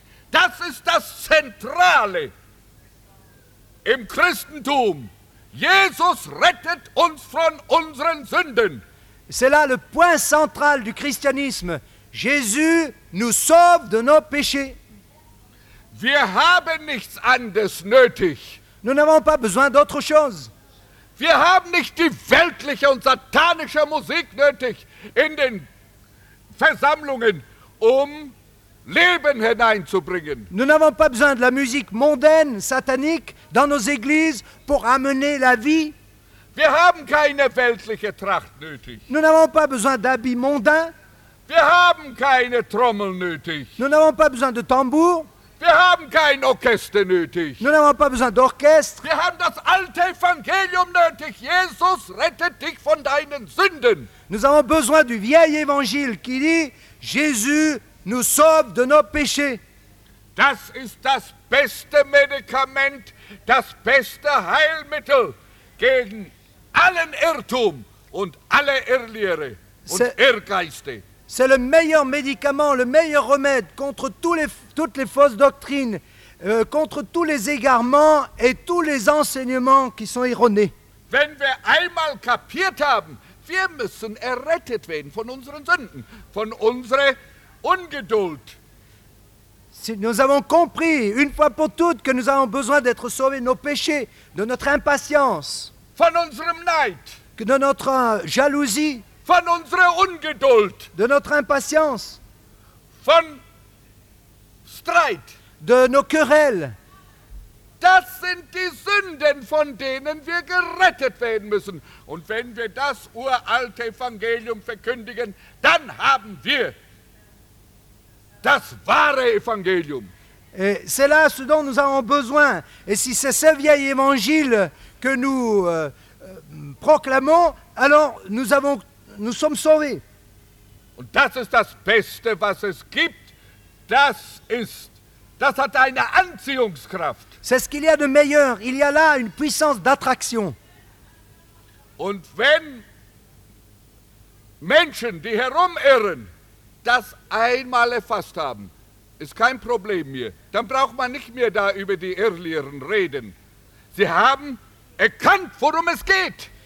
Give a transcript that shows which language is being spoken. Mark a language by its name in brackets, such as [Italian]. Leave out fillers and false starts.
[German] Das ist das Zentrale im Christentum. Jesus rettet uns von unseren Sünden. [French] C'est là le point central du christianisme. Jésus nous sauve de nos péchés. [German] Wir haben nichts anderes nötig. [French] Nous n'avons pas besoin d'autre chose. [German] Wir haben nicht die weltliche und satanische Musik nötig in den Versammlungen, um Leben hineinzubringen. [French] Nous n'avons pas besoin de la musique mondaine, satanique, dans nos églises pour amener la vie. [German] Wir haben keine weltliche Tracht nötig. [French] Nous n'avons pas besoin d'habits mondains. [German] Wir haben keine Trommel nötig. [French] Nous n'avons pas besoin de tambour. [German] Wir haben kein Orchester nötig. [French] Nous n'avons pas besoin d'orchestre. [German] Wir haben das alte Evangelium nötig. Jesus rettet dich von deinen Sünden. [French] Nous avons besoin du vieil évangile qui dit Jésus nous sauve de nos péchés. [German] Das ist das beste Medikament, das beste Heilmittel gegen allen Irrtum und alle Irrlehre und Irrgeiste. [French] C'est le meilleur médicament, le meilleur remède contre toutes les fausses doctrines, contre tous les égarements et tous les enseignements qui sont erronés. [German] Wenn wir einmal kapiert haben, wir müssen errettet werden von unseren Sünden, von unserer Ungeduld. [French] Si nous avons compris une fois pour toutes que nous avons besoin d'être sauvés de nos péchés, de notre impatience, [German] von unserem Neid, [French] de notre jalousie, [German] von unserer Ungeduld, [French] de notre impatience, [German] von Streit, [French] de nos querelles. [German] Das sind die Sünden, von denen wir gerettet werden müssen. Und wenn wir das uralte Evangelium verkündigen, dann haben wir das wahre Evangelium. [French] Et c'est là ce dont nous avons besoin. Et si c'est ce vieil évangile que nous proclamons, alors nous avons nous sommes sauvés. [German] Und das ist das Beste, was es gibt. Das hat eine Anziehungskraft. [French] C'est ce qu'il y a de meilleur. Il y a là une puissance d'attraction. [German] Und wenn Menschen, die herumirren, das einmal erfasst haben, ist kein Problem mehr. Dann braucht man nicht mehr da über die Irrlehren reden. Sie haben erkannt, worum es geht.